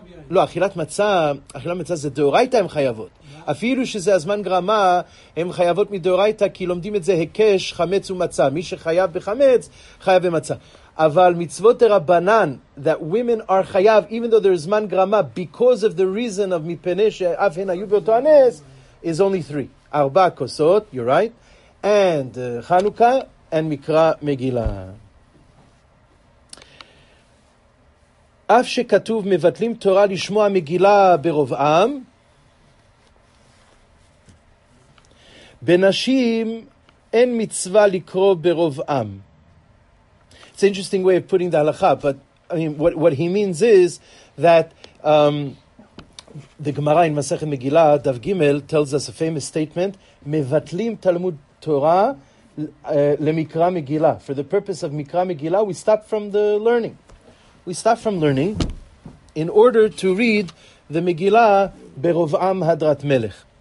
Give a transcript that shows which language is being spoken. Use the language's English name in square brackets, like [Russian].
[Hebrew] לא, אכילת מצה זה דאורייתא הם חייבות. אפילו שזה הזמן גרמה, הם חייבות מדאורייתא, כי לומדים את זה הקש, חמץ ומצה. מי שחייב בחמץ, חייב במצה. אבל מצוות הרבנן, [English] that women are חייב, even though there is זמן גרמה, because of the reason of [Hebrew] מפני שאף הן היו באותו הנס, [English] is only three. [Hebrew] ארבע כוסות, [English] you're right, [Hebrew] and חנוכה, and מקרא מגילה. אף שכתוב מבטלים תורה לשמוע מגילה ברוב עם, בנשים אין מצווה לקרוא ברוב עם. [English] It's an interesting way of putting the halakha, but I mean, what he means is that the Gemara in Masechet Megillah, Dav Gimel, tells us a famous statement, [Hebrew] Mevatlim Talmud Torah leMikra Megillah. [English] For the purpose of Mikra Megillah, we stop from the learning. We stop from learning in order to read the Megillah [Hebrew] Berov'am Hadrat Melech.